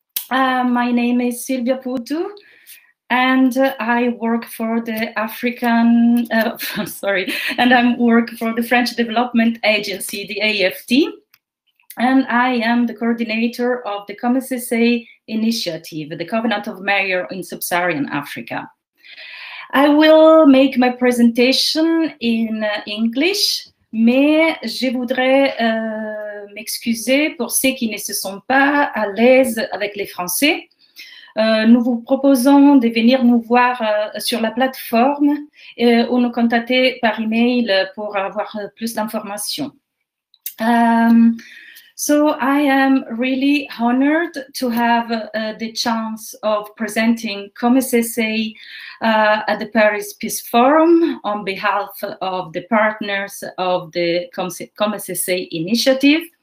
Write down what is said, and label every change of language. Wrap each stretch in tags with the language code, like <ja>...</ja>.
<en>My name is Silvia Pudu, and I work for the African. I work for the French Development Agency, the AFD, and I am the coordinator of the SSA initiative, the Covenant of Mayor in Sub-Saharan Africa. I will make my presentation in English,</en> <fr>mais je voudrais m'excuser pour ceux qui ne se sont pas à l'aise avec les français. Nous vous proposons de venir nous voir sur la plateforme ou nous contacter par email pour avoir plus d'informations.</fr> <en>So I am really honored to have the chance of presenting SSA at the Paris Peace Forum on behalf of the partners of the SSA initiative.</en>